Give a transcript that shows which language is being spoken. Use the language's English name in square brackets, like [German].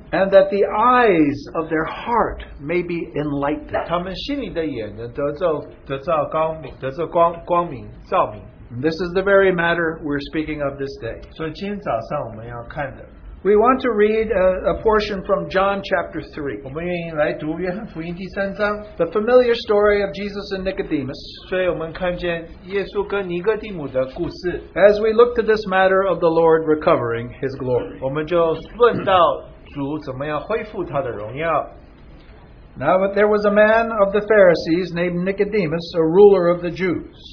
[English] And that the eyes of their heart may be enlightened. [Chinese] 他们心里的眼能得着光明，照明。 [English] This is the very matter we're speaking of this day. So, [Chinese] 今天早上我们要看的, [English] we want to read a portion from John chapter 3. [Chinese] 我们愿意来读约翰福音第三章, [English] the familiar story of Jesus and Nicodemus. [Chinese] 所以我们看见耶稣跟尼哥底母的故事, [English] as we look to this matter of the Lord recovering his glory. [Chinese] 我们就论到主怎么样恢复他的荣耀。 [English] Now, but there was a man of the Pharisees named Nicodemus, a ruler of the Jews.